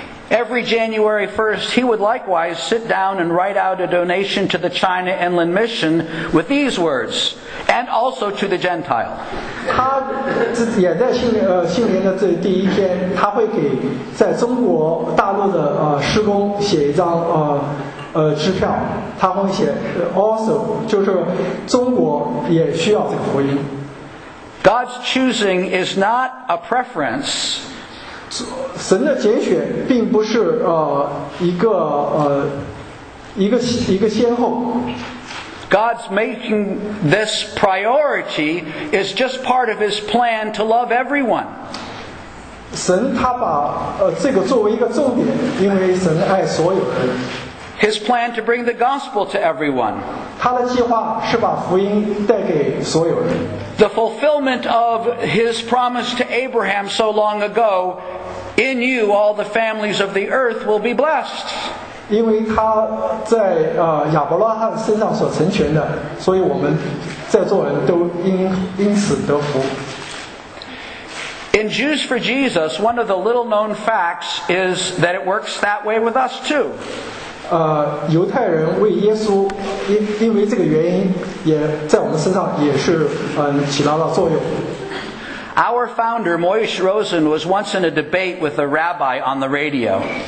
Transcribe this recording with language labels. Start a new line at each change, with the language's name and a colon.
English: Every January 1st, he would likewise sit down and write out a donation to the China Inland Mission with these words, and also to the Gentile.
Chinese: 他也在新年的这第一天，他会给在中国大陆的施工写一张支票，他会写 also， 就是中国也需要这个福音。
English: God's choosing is not a preference.
Chinese: 神的拣选并不是一个先后。
English: God's making this priority is just part of His plan to love everyone.
Chinese: 神他把这个作为一个重点，因为神爱所有人。
English: His plan to bring the gospel to everyone.
Chinese: 他的计划是把福音带给所有人。
English: The fulfillment of His promise to Abraham so long ago. In you, all the families of the earth will be blessed.
Chinese: 因为他在亚伯拉罕身上所成全的，所以我们在座人都因此得福。
English: In Jews for Jesus, one of the little-known facts is that it works that way with us too.
Chinese: 犹太人为耶稣因为这个原因，也在我们身上也是起到了作用。
English: Our founder, Moish Rosen, was once in a debate with a rabbi on the radio.